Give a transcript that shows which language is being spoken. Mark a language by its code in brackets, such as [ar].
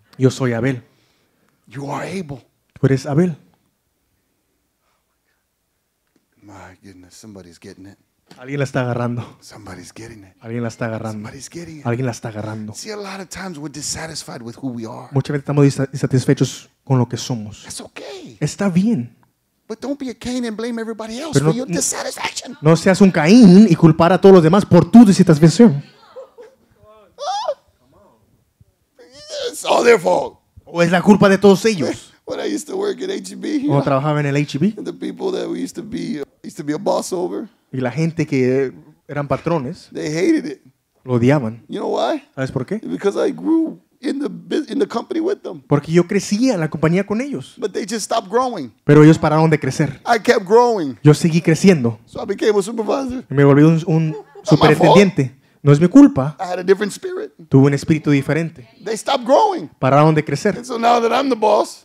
[es] Yo soy Abel. [en] You are Abel. [es] Tú eres Abel. [en] My goodness, somebody's getting it. [es] Alguien la está agarrando. [en] Somebody's getting it. [es] Alguien la está agarrando. [en] Somebody's getting it. [es] Alguien la está agarrando. [en] See, a lot of times we're dissatisfied with who we are. [es] Muchas veces estamos insatisfechos con lo que somos. [en] That's okay. [es] Está bien. [en] But don't be a Cain and blame everybody else for your dissatisfaction. [es] No seas un Caín y culpar a todos los demás por tu desinsatisfacción. [en] It's all their fault. [es] O es la culpa de todos ellos. [en] When I used to work at HEB. [es] Cuando trabajaba en el HEB. [en] The people that we used to be a boss over. [es] Y la gente que eran patrones. [en] They hated it. [es] Lo odiaban. [en] You know why? [es] ¿Sabes por qué? [en] Because I grew in the company with them. [es] Porque yo crecía en la compañía con ellos. [en] But they just stopped growing. [es] Pero ellos pararon de crecer. [en] I kept growing. [es] Yo seguí creciendo. [en] So I became a supervisor. [es] Y me volví un superintendiente. No es mi culpa. [en] I had a different spirit. [es] Tuve un espíritu diferente. [en] They stopped growing. [es] Pararon de crecer. [en] And so now that I'm the boss,